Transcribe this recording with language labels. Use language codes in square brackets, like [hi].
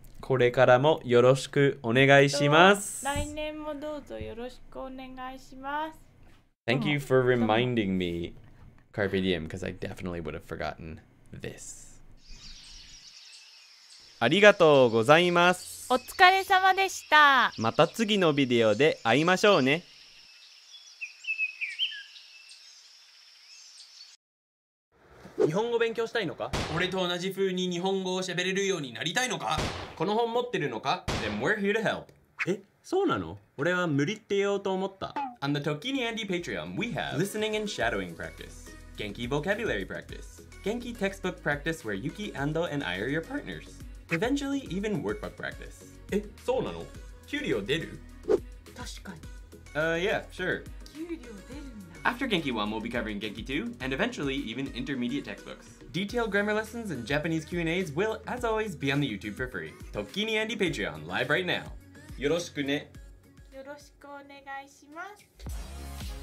[ja] これからもよろしくお願いします。来年もどうぞよろしくお願いします。 [en] Thank you for reminding me, Carpe Diem, because I definitely would have forgotten this. [ja] ありがとうございます。お疲れ様でした。また次のビデオで会いましょうね。日本語勉強したいのか？俺と同じ風に日本語を喋れるようになりたいのか？この本持ってるのか？ [en] Then we're here to help. [ja] え、そうなの？俺は無理って言おうと思った。 [en] On the Tokini Andy Patreon, we have Listening and Shadowing Practice, Genki Vocabulary Practice, Genki Textbook Practice where Yuki, Ando, and I are your partners, Eventually even Workbook Practice. [ja] え、そうなの？給料出る？確かに。 [en] Yeah, sure. [ja] 給料出るの？ [en] After Genki 1, we'll be covering Genki 2, and eventually even intermediate textbooks. Detailed grammar lessons and Japanese Q&As will, as always, be on the YouTube for free. Tokini Andy Patreon, live right now. [ja] よろしくね。よろしくお願いします。